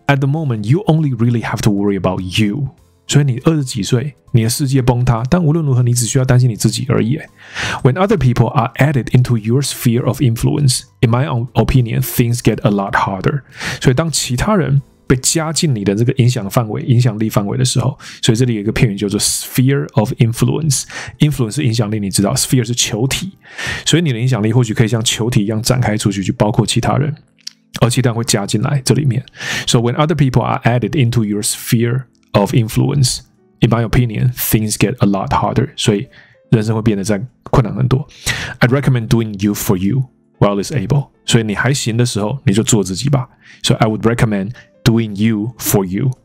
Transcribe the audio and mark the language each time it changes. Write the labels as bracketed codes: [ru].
[en] At the moment， you only really have to worry about you。 [zh] 所以你二十几岁，你的世界崩塌，但无论如何，你只需要担心你自己而已。 [en] When other people are added into your sphere of influence, in my own opinion, things get a lot harder. [zh] 所以当其他人被加进你的这个影响范围、影响力范围的时候，所以这里有一个片语叫做 sphere of influence。 influence 是影响力，你知道 ，sphere 是球体，所以你的影响力或许可以像球体一样展开出去，去包括其他人，而其他人会加进来这里面。 [en] So when other people are added into your sphere. Of influence, in my opinion, things get a lot harder. [zh] 所以人生会变得再困难很多。 [en] I'd recommend doing you for you while it's able. [zh] 所以你还行的时候，你就做自己吧。 [en] So I would recommend doing you for you.